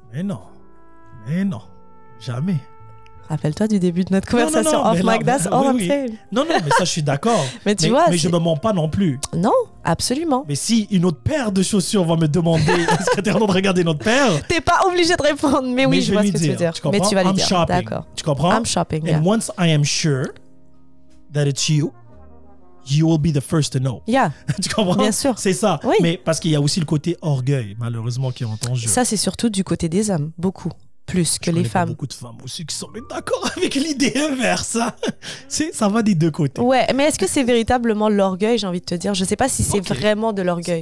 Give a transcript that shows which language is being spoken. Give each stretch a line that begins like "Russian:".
French: Mais non. Jamais. Rappelle-toi du début de notre conversation Non, non, mais ça, je suis d'accord. mais tu vois, je ne me mens pas non plus. Non, absolument. Mais si une autre paire de chaussures va me demander est-ce que tu es en train de regarder notre paire, tu n'es pas obligé de répondre. Mais oui, je vois ce que dire. Tu veux dire. Tu comprends? Mais tu vas
English: I'm
French: lui dire.
English: Shopping.
French: D'accord. Tu comprends?
English: I'm shopping, yeah. And once I am sure that it's you, you will be the first to know. Yeah.
French: Tu comprends? Bien sûr. C'est ça. Oui. Mais parce qu'il y a aussi le côté orgueil, malheureusement, qui est en ton jeu. Ça, c'est surtout du côté des hommes, beaucoup. Plus que les femmes. Il y a beaucoup de femmes aussi qui sont d'accord avec l'idée inverse. C'est, ça va des deux côtés. Ouais, mais est-ce que c'est véritablement l'orgueil, j'ai envie de te dire? Je ne sais pas si c'est okay. vraiment de l'orgueil.